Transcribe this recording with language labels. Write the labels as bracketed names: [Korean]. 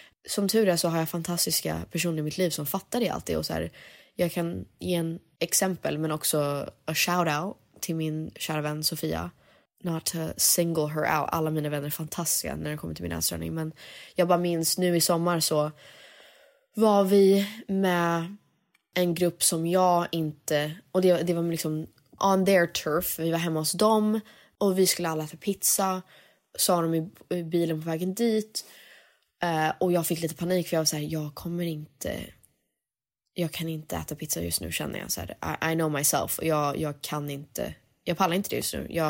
[Swedish] som tur är så har jag fantastiska personer i mitt liv som fattar det alltid. Och så här, jag kan ge en exempel, men också [English] a shout out [Swedish] till min kära vän Sofia. [English] Not to single her out. [Swedish] Alla mina vänner är fantastiska när det kommer till min ätstörning. Men jag bara minns nu i sommar så var vi med en grupp som jag inte... Och det var liksom [English] on their turf. [Swedish] Vi var hemma hos dem och vi skulle alla äta pizza. Sa de i bilen på vägen dit. Och jag fick lite panik för jag var så här, jag kommer inte... Jag kan inte äta pizza just nu, känner jag. Så här, [English] I know myself. [Swedish] Jag kan inte... Jag pallar inte det just nu.